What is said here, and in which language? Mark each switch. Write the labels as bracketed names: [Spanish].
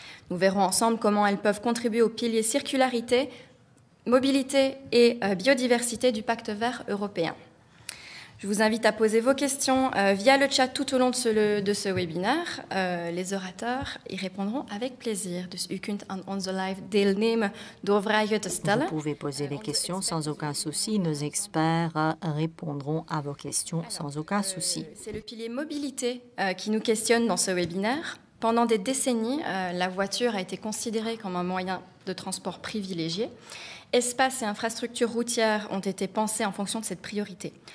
[French] Nous verrons ensemble comment elles peuvent contribuer aux piliers circularité, mobilité et biodiversité du pacte vert européen. Je vous invite à poser vos questions via le chat tout au long de ce webinaire. Les orateurs y répondront avec plaisir. [Dutch] Dus u kunt aan onze live deelnemen door vragen te stellen. [French] Vous pouvez poser des questions sans aucun souci. Nos experts répondront à vos questions sans aucun souci. C'est le pilier mobilité qui nous questionne dans ce webinaire. Pendant des décennies, la voiture a été considérée comme un moyen de transport privilégié. Espaces et infrastructures routières ont été pensés en fonction de cette priorité.